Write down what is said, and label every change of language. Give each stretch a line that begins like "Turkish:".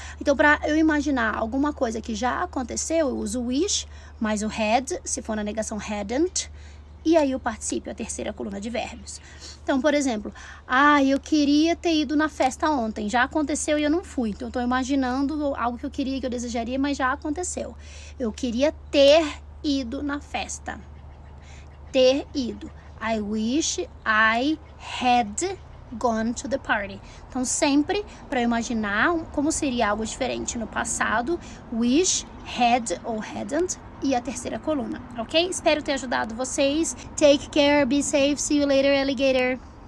Portuguese: Então, para eu imaginar alguma coisa que já aconteceu, eu uso wish, mais o had, se for na negação hadn't, e aí o particípio, a terceira coluna de verbos. Então, por exemplo, ah, eu queria ter ido na festa ontem, já aconteceu e eu não fui. Então, eu estou imaginando algo que eu queria, que eu desejaria, mas já aconteceu. Eu queria ter ido na festa. Ter ido.
English: I wish I had gone to the party.
Portuguese: Então, sempre para imaginar como seria algo diferente no passado, wish, had ou hadn't e a terceira coluna, ok? Espero ter ajudado vocês.
English: Take care, be safe, see you later, alligator.